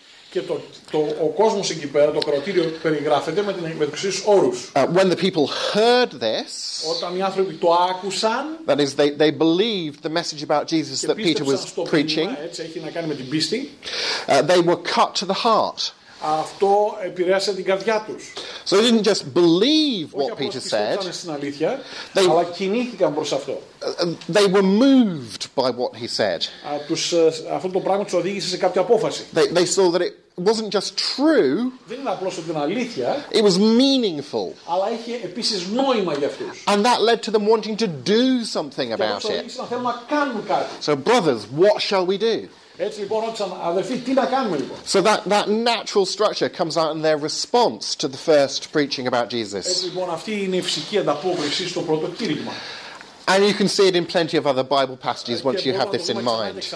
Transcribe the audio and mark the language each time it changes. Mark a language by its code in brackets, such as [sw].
[el] Και ο κόσμος εκεί πέρα, το κρατήριο περιγράφεται με τους εξής όρους. [en] When the people heard this, [el] όταν οι άνθρωποι το άκουσαν, [en] that is, they believed the message about Jesus that Peter was preaching, [el] έτσι έχει να κάνει με την πίστη, [en] they were cut to the heart. [el] Αυτό επηρέασε την καρδιά τους. [en] So they didn't just believe what Peter said. [el] Όχι απλώς πιστεύανε στην αλήθεια, αλλά κινήθηκαν προς αυτό. [en] They were moved by what he said. [el] Αυτό το πράγμα τους οδήγησε σε κάποια απόφαση. [en] They saw that it wasn't just true. [el] Δεν είναι απλώς ότι είναι αλήθεια. [en] It was meaningful. [el] Αλλά είχε επίσης νόημα για αυτούς. [en] And that led to them wanting to do something about it. [el] Και αυτό οδήγησε να θέλουν να κάνουν κάτι. [en] So brothers, what shall we do? [el] Έτσι λοιπόν ρώτησαν, αδερφοί, τι να κάνουμε λοιπόν. [en] So that natural structure comes out in their response to the first preaching about Jesus. [el] Έτσι λοιπόν αυτή είναι η φυσική ανταπόκριση στο πρώτο κήρυγμα. [en] And you can see it in plenty of other Bible passages once you have this in mind.